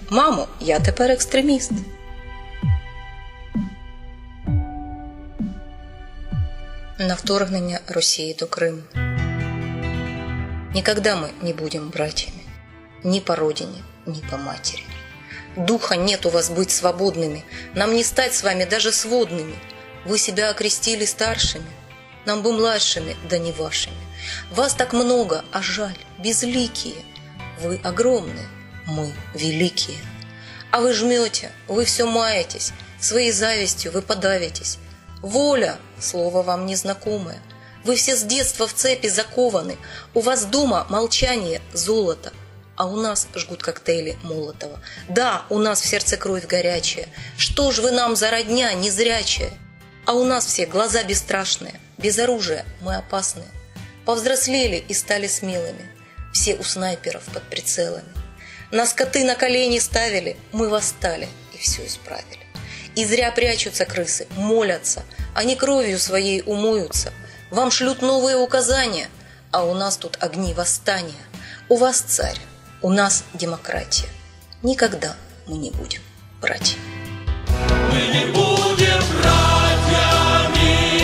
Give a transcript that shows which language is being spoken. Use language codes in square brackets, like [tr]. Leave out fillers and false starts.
[uk] Мамо, я тепер екстреміст. На вторгнення Росії до Криму. Ніколи ми не будемо братьями. Ні по родині, ні по матері. [ru] Духа нет у вас быть свободными, нам не стать с вами даже сводными. Вы себя окрестили старшими, нам бы младшими, да не вашими. Вас так много, а жаль, безликие. Вы огромны, мы великие. А вы жмете, вы все маетесь, своей завистью вы подавитесь. Воля, слово вам незнакомое. Вы все с детства в цепи закованы. У вас дома молчание, золото. А у нас жгут коктейли Молотова. Да, у нас в сердце кровь горячая. Что ж вы нам за родня незрячая? А у нас все глаза бесстрашные. Без оружия мы опасные. Повзрослели и стали смелыми. Все у снайперов под прицелами. Нас коты на колени ставили. Мы восстали и все исправили. И зря прячутся крысы, молятся. Они кровью своей умоются. [uk] Вам шлють нові указання, а у нас тут огні восстання. У вас цар, у нас демократія. Ніколи ми не будемо брати. Ми не будемо братьями.